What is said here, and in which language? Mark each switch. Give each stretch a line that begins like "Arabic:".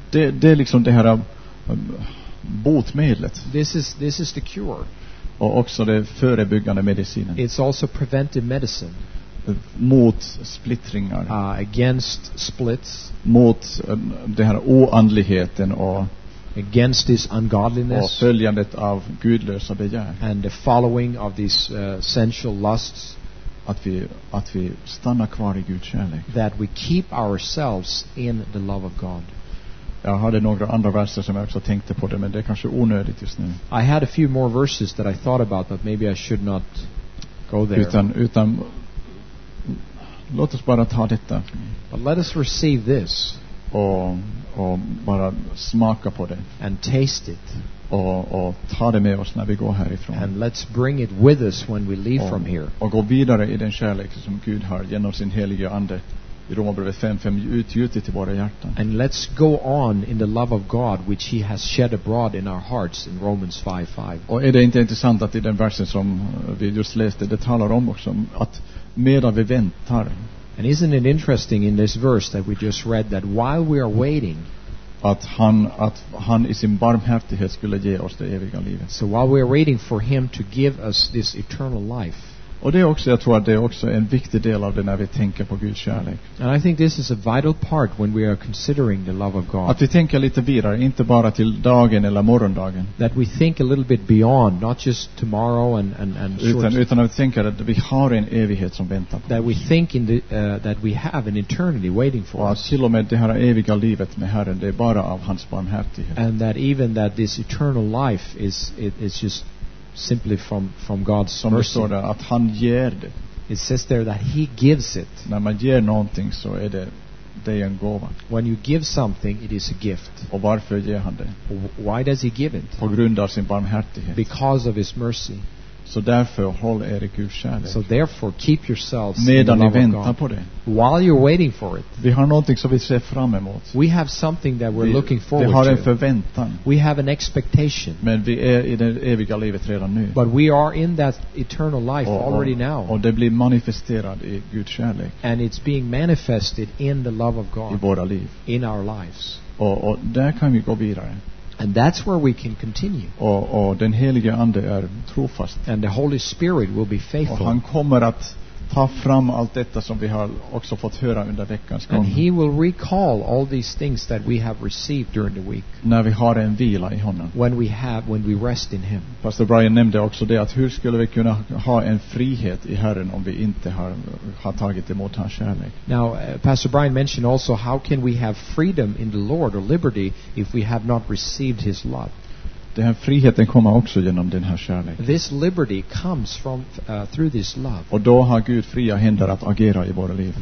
Swedish: Det är liksom det här botemedlet.
English: This is the cure.
Swedish: Och också det förebyggande medicinen.
English: It's also preventive medicine.
Swedish: Mot splittringar.
English: Against splits.
Swedish: Mot det här oandligheten och
English: against this ungodliness.
Swedish: Och följandet av gudlösa begär.
English: And the following of these sensual lusts.
Swedish: Att vi stannar kvar i Guds kärlek.
English: That we keep ourselves in the love of God.
Swedish: Jag hade några andra verser som jag också tänkte på det, men det är kanske onödigt just nu.
English: I had a few more verses that I thought about, but maybe I should not go there.
Swedish: Utan låt oss bara ta detta.
English: But let us receive this.
Swedish: Och bara smaka på det.
English: And taste it.
Swedish: Och ta det med oss när vi går härifrån.
English: And let's bring it with us when we leave from here.
Swedish: Och gå vidare i den kärlek som Gud har genom sin helige ande i Romarbrevet 5:5 utgjutit i våra hjärtan.
English: And let's go on in the love of God which he has shed abroad in our hearts in Romans 5:5.
Swedish: Och är det inte intressant att i den versen som vi just läste det talar om också att medan vi väntar.
English: And isn't it interesting in this verse that we just read that while we are waiting
Swedish: att han i sin barmhärtighet skulle ge oss det eviga livet.
English: So while we are waiting for him to give us this eternal life.
Swedish: Och det är också, jag tror att det är också en viktig del av det när vi tänker på Guds kärlek.
English: And I think this is a vital part when we are considering the love of God.
Swedish: Att vi tänker lite vidare, inte bara till dagen eller morgondagen.
English: That we think a little bit beyond, not just tomorrow and
Swedish: utan att vi tänker att vi har en evighet som väntar på.
English: That we think in the that we have an eternity waiting for us.
Swedish: Till och med det här eviga livet med Herren, det är bara av hans barmhärtighet.
English: And that even that this eternal life is just simply from God's
Swedish: som
English: mercy.
Swedish: Det står där, att han ger det.
English: It says there that he gives it.
Swedish: När man ger någonting så är det en gåva.
English: When you give something it is a gift.
Swedish: Och varför ger han det?
English: Why does he give it?
Swedish: På grund av sin barmhärtighet.
English: Because of his mercy.
Swedish: Så därför håll er i Guds kärlek.
English: So therefore keep yourselves
Swedish: medan
English: in the love
Swedish: ni väntar
English: of God.
Swedish: På det.
English: While you're waiting for it.
Swedish: Vi har någonting som vi ser fram emot.
English: We have something that we're looking forward to.
Swedish: Vi har en förväntan.
English: We have an expectation.
Swedish: Men vi är i det eviga livet redan nu.
English: But we are in that eternal life already now.
Swedish: Och det blir manifesterat i Guds kärlek.
English: And it's being manifested in the love of God.
Swedish: I våra liv.
English: In our lives.
Swedish: Och där kan vi gå vidare.
English: And that's where we can continue.
Swedish: Och den helige ande är trofast.
English: And the Holy Spirit will be faithful.
Swedish: Och han kommer att ta fram allt detta som vi har också fått höra under veckans gång.
English: And he will recall all these things that we have received during the week.
Swedish: När vi har en vila i honom.
English: When we rest in him.
Swedish: Pastor Brian nämnde också det att hur skulle vi kunna ha en frihet i Herren om vi inte har tagit emot hans kärlek.
English: Now, Pastor Brian mentioned also how can we have freedom in the Lord or liberty if we have not received his love.
Swedish: Den här friheten kommer också genom den här kärleken.
English: This liberty comes from through this love.
Swedish: Och då har Gud fria händer att agera i våra liv.